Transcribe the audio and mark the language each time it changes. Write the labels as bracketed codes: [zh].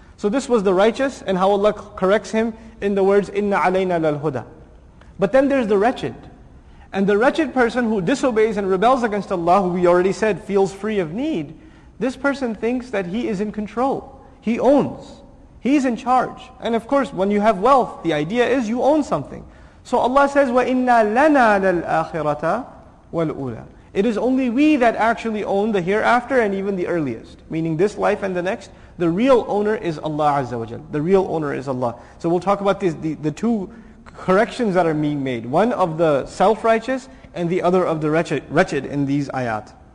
[en] So this was the righteous, and how Allah corrects him in the words, [ar] إِنَّ عَلَيْنَا لَلْهُدَى. [en] But then there's the wretched. And the wretched person who disobeys and rebels against Allah, who we already said feels free of need, this person thinks that he is in control. He owns. He's in charge. And of course, when you have wealth, the idea is you own something. So Allah says, [ar] وَإِنَّا لَنَا لَلْآخِرَةَ وَالْأُولَى. [en] It is only we that actually own the hereafter and even the earliest. Meaning this life and the next, the real owner is Allah Azza wa Jal. The real owner is Allah. So we'll talk about the two corrections that are being made. One of the self-righteous and the other of the wretched in these ayat.